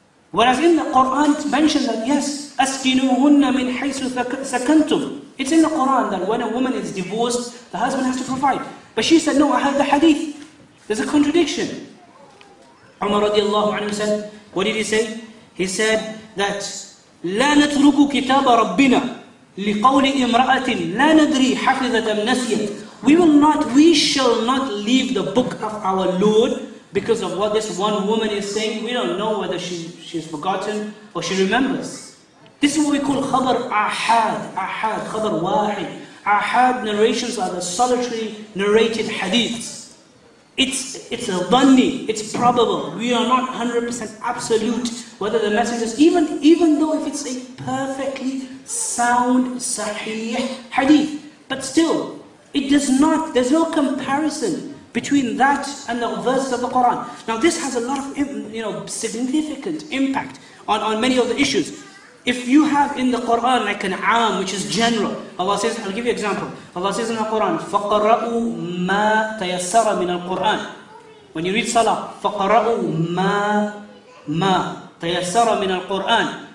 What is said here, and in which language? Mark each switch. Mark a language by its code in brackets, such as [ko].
[en] Whereas in the Quran it mentions that yes, askinuhunna min haythu sakantum. It's in the Quran that when a woman is divorced, the husband has to provide. But she said, no, I have the hadith. There's a contradiction. Umar radiallahu anhu said, what did he say? He said that [ar] لَا نَتْرُكُ كِتَابَ رَبِّنَا لِقَوْلِ إِمْرَأَةٍ لَا نَدْرِي حَفِظَةً أَمْ نَسِيَةً. [en] We shall not leave the book of our Lord because of what this one woman is saying. We don't know whether she's forgotten or she remembers. This is what we call khabar ahad, khabar wahid. Ahad narrations are the solitary narrated hadiths. It's a dhanni, it's probable. We are not 100% absolute whether the messengers, even though if it's a perfectly sound sahih hadith, but still, there's no comparison between that and the verse of the Quran. Now this has a lot of significant impact on many of the issues. If you have in the Quran like an aam, which is general, Allah says, I'll give you an example. Allah says in the Quran, [ar] فَقَرَأُوا مَا تَيَسَّرَ مِنَ الْقُرْآنِ. [en] When you read Salah, [ar] فَقَرَأُوا مَا تَيَسَّرَ مِنَ الْقُرْآنِ.